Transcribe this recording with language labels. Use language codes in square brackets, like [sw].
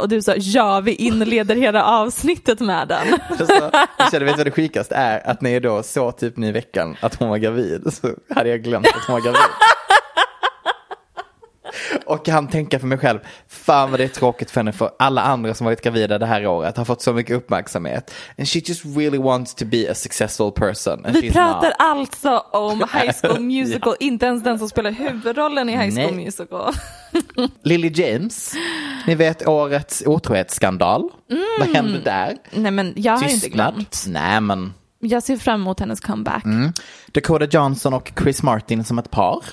[sv] Och du sa, ja, vi inleder hela avsnittet med den. Jag kände, vet du vad det sjukaste är? Att när jag då så typ ny veckan att hon var gravid så hade jag glömt att hon var gravid. Och jag hann tänka för mig själv, fan vad det är tråkigt för henne, för alla andra som varit gravida det här året har fått så mycket uppmärksamhet. [en] And she just really wants to be a successful person. [sv] Vi pratar not. Alltså om High School Musical, ja. Inte ens den som spelar huvudrollen i High School Musical. Lily James, ni vet årets otrohetsskandal. Mm. Vad hände där? Nej, men jag har inte glömt. Nej, men... Jag ser fram emot hennes comeback. Mm. Dakota Johnson och Chris Martin som ett par.